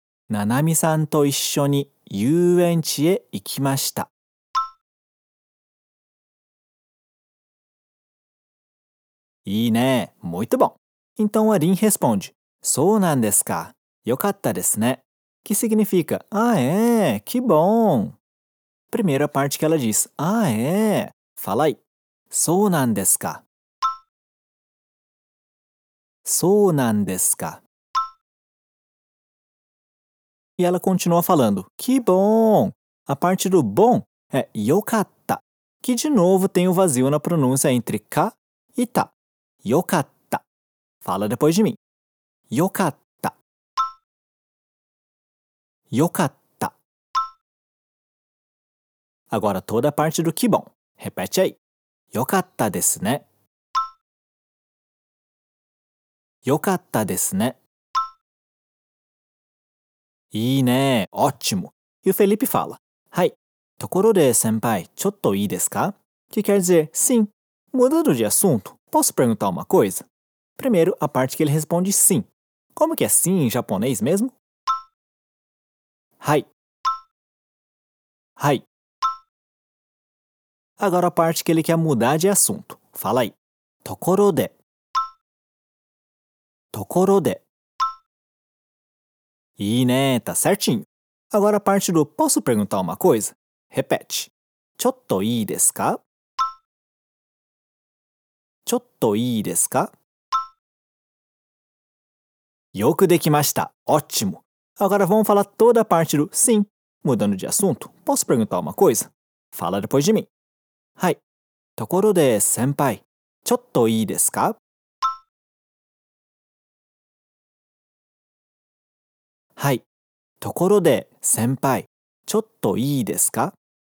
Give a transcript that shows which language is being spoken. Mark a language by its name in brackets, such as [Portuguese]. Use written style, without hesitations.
[Japanese] Nanami-san to isshō ni yuenchi e ikimashita. いいね、 [Portuguese] muito bom. Então Arin responde: [Japanese] そうなんですか。よかったですね。 [Portuguese] Que significa: ah é, que bom. Primeira parte que ela diz: ah é. Fala aí. [Japanese] そうなんですか。そうなんですか。 [Portuguese] E ela continua falando: que bom. A parte do bom é [Japanese] よかった, [Portuguese] que de novo tem o vazio na pronúncia entre ka e ta. [Japanese] よかった。 [Portuguese] Fala depois de mim. よかった。 [Japanese] よかった。 [Portuguese] Agora toda a parte do que bom. Repete aí. [Japanese] よかったですね。よかったですね。いいね。 [Portuguese] Ótimo. E o Felipe fala. [Japanese] はい。ところで、先輩、ちょっといいですか? [Portuguese] Que quer dizer, sim. Mudando de assunto. Posso perguntar uma coisa? Primeiro, a parte que ele responde sim. Como que é sim em japonês mesmo? [Japanese] Hai. Hai. [Portuguese] Agora a parte que ele quer mudar de assunto. Fala aí. [Japanese] Tokoro de. Tokoro de. [Portuguese] E né, tá certinho. Agora a parte do posso perguntar uma coisa? Repete. [Japanese] Chotto ii desu ka? ちょっといいですか? よくできました。 [Portuguese] Ótimo! Agora vamos falar toda a parte do sim. Mudando de assunto, posso perguntar uma coisa? Fala depois de mim. [Japanese] はい。ところで、先輩、ちょっといいですか? はい。ところで、先輩、ちょっといいですか?